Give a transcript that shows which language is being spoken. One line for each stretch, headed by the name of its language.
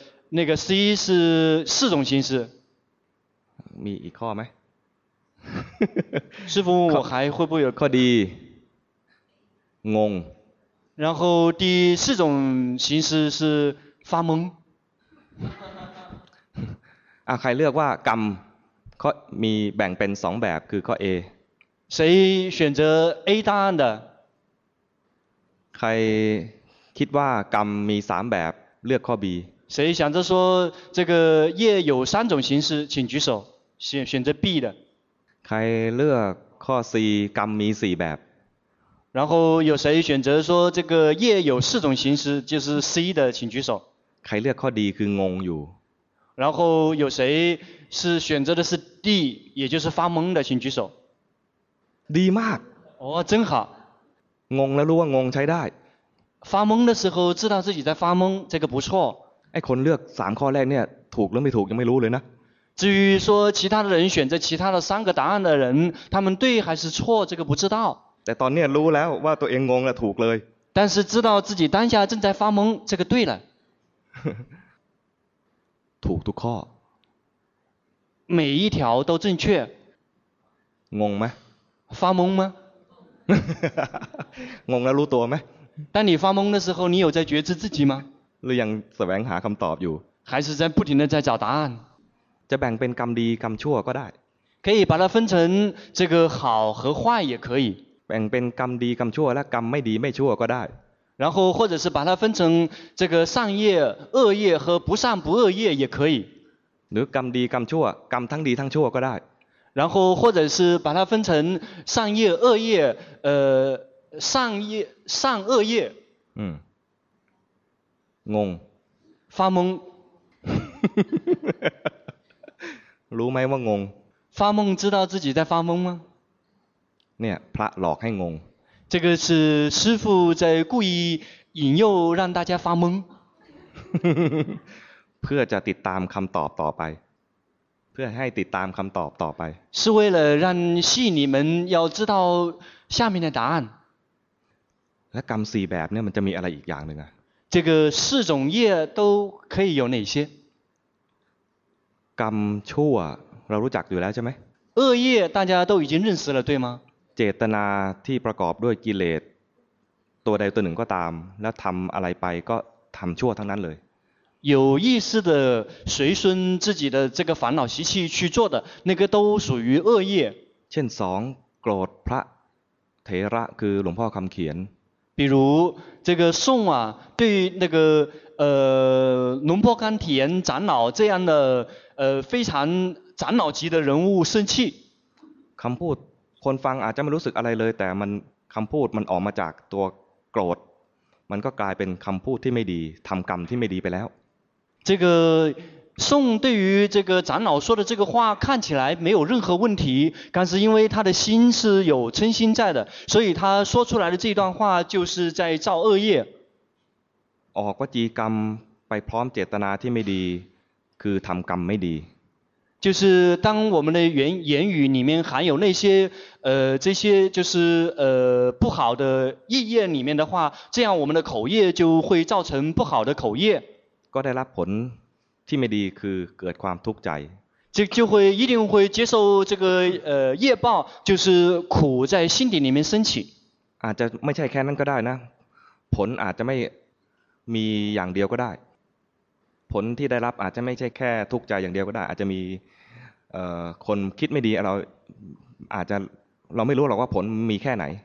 Chinese: 那个 C 是四种形式
Thai: มีอีกข้อไหม
Chinese: 师父我还会不会有
Thai: ข้อ D งง
Chinese: 然后第四种形式是发懵
Thai: ใครเลือกว่ากรรมก็มีแบ่งเป็นสองแบบคือข้อ A
Chinese: 谁选择 A 答案的
Thai: ใครคิดว่ากรรมมีสามแบบเลือกข้อ B
Chinese: 谁想着说这个业有三种形式请举手选择 B 的
Thai: ใครเลือกข้อ C กรรมมีสี่แบบ
Chinese: 然后有谁选择说这个业有四种形式就是 C 的请举手
Thai: ใครเลือกข้อ D คืองงอยู่
Chinese: 然后有谁是选择的是 D 也就是发懵的请举手
Thai: ดีมาก
Chinese: โอ้真好
Thai: งงแล้วรู้ว่างงใช้ได้
Chinese: 发懵的时候知道自己在发懵这个不错
Thai: ไอ้คนเลือก3ข้อแรกเนี่ยถูกหรือไม่ถูกยังไม่รู้เลยนะ
Chinese: 至于说其他的人选择其他的三个答案的人他们对还是错这个不知道
Thai: แต่ตอนนี้รู้แล้วว่าตัวเองงงแล้วถูกเลย
Chinese: 但是知道自己当下正在发懵这个对了
Thai: ถูกทุกข้
Chinese: อ每一条都正确
Thai: งงไหม
Chinese: 发懵吗
Thai: งงแล้วรู้ตัวไหม
Chinese: 当你发懵的时候你有在觉知自己吗
Thai: หรือยังแสวงหาคำตอบอยู่
Chinese: 还是在不停的在找答案
Thai: จะแบ่งเป็นกรรมดีกรรมชั่วก็ได้
Chinese: 可以把它分成这个好和坏也可以
Thai: แบ่งเป็นกรรมดีกรรมชั่วและกรรมไม่ดีไม่ชั่วก็ได้
Chinese: 然后或者是把它分成这个善业恶业和不善不恶业也可以
Thai: หรือกรรมดีกรรมชั่วกรรมทั้งดีทั้งชั่วก็ได้
Chinese: 然后或者是把它分成善业恶业善业善恶业
Thai: งง
Chinese: 发懵
Thai: รู้ไหมว่างง
Chinese: 发懵知道自己在发懵吗
Thai: เนี่ยพระหลอกให้งง
Chinese: 这个是师父在故意引诱让大家发懵
Thai: เพื่อจะติดตามคำตอบต่อไปเพื่อให้ติดตามคำตอบต่อไป
Chinese: 是为了让吸引你们要知道下面的答案
Thai: และกรรมสี่แบบเนี่ยมันจะมีอะไรอีกอย่างนึงอ่ะ
Chinese: 这个四种业都可以有哪些
Thai: กรรมชั่วเรารู้จักอยู่แล้วใช่ไหม
Chinese: 恶业大家都已经认识了对吗
Thai: เจตนาที่ประกอบด้วยกิเลสตัวใดตัวหนึ่งก็ตามแล้วทำอะไรไปก็ทำชั่วทั้งนั้นเลย
Chinese: 有意识的随顺自己的这个烦恼习气去做的那个都属于恶业
Thai: เช่นสองโกรธพระเถระคือหลวงพ่อคำเขียน
Chinese: 比如这个宋啊对那个龙婆甘田长老这样的非常长老级的人物生气
Thai: คำพูดคนฟังอาจจะไม่รู้สึกอะไรเลยแต่มันคำพูดมันออกมาจากตัวโกรธมันก็กลายเป็นคำพูดที่ไม่ดีทำกรรมที่ไม่ดีไปแล้ว
Chinese: 这个宋对于这个长老说的这个话看起来没有任何问题但是因为他的心是有嗔心在的所以他说出来的这段话就是在造恶业
Thai: ออกวจีกรรมไปพร้อมเจตนาที่ไม่ดีคือทำกรรมไม่ดี
Chinese: 就是当我们的言语里面含有那些这些就是不好的意念里面的话这样我们的口业就会造成不好的口业
Thai: ก็ได้รับผลที่ไม่ดีคือเกิดความทุกข์ใจ
Chinese: 就会一定会接受这个业报就是苦在心底里面升起
Thai: อาจจะไม่ใช่แค่นั้นก็ได้นะผลอาจจะไม่มีอย่างเดียวก็ได้ผลที่ได้รับอาจจะไม่ใช่แค่ทุกข์ใจอย่างเดียวก็ได้อาจจะมีคนคิดไม่ดีเราอาจจะเราไม่รู้หรอกว่าผลมีแค่ไหน